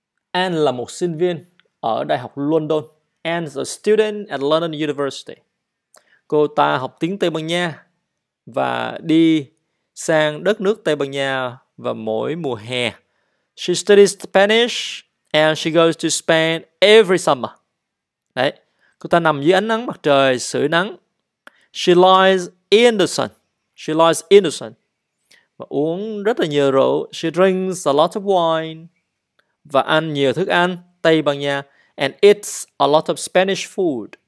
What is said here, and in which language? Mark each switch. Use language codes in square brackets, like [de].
[vi] Anne là một sinh viên ở Đại học London. [en] Anne is a student at London University. [vi] Cô ta học tiếng Tây Ban Nha và đi sang đất nước Tây Ban Nha vào mỗi mùa hè. [en] She studies Spanish and she goes to Spain every summer. [vi] Đấy, cô ta nằm dưới ánh nắng mặt trời sưởi nắng. [en] She lies in the sun. [vi] She lies in the sun. Và uống rất là nhiều rượu. [en] She drinks a lot of wine. [vi] Và ăn nhiều thức ăn Tây Ban Nha. [en] And eats a lot of Spanish food.